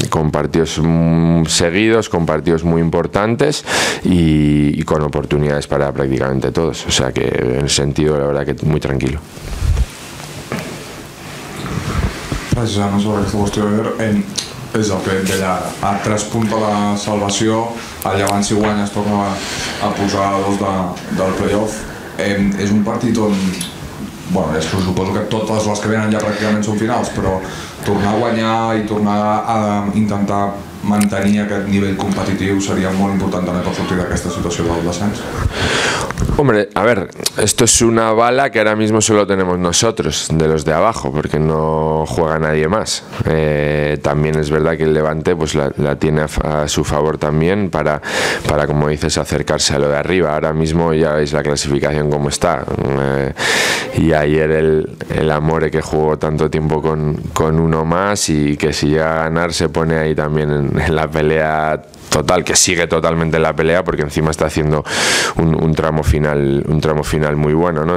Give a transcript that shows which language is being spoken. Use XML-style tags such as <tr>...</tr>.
<es>partidos seguidos, con partidos muy importantes y con oportunidades para prácticamente todos, o sea que en el sentido, la verdad que muy tranquilo.</es> <ca>Gràcies, Anna, sobre aquesta qüestió. És el fet d'allà, a 3 punts de la salvació, allà abans si guanya es torna a posar a 2 del playoff. És un partit on, bueno, és, suposo que totes les que venen ja pràcticament són finals, però tornar a guanyar i tornar a intentar mantenir aquest nivell competitiu seria molt important també per sortir d'aquesta situació del descens.</ca> <es>Hombre, a ver, esto es una bala que ahora mismo solo tenemos nosotros, de los de abajo, porque no juega nadie más. También es verdad que el Levante pues la tiene a su favor también para, como dices, acercarse a lo de arriba. Ahora mismo ya veis la clasificación como está. Y ayer el Amore que jugó tanto tiempo con uno más y que si llega a ganar se pone ahí también en la pelea total, que sigue totalmente en la pelea porque encima está haciendo un tramo final muy bueno, ¿no?</es>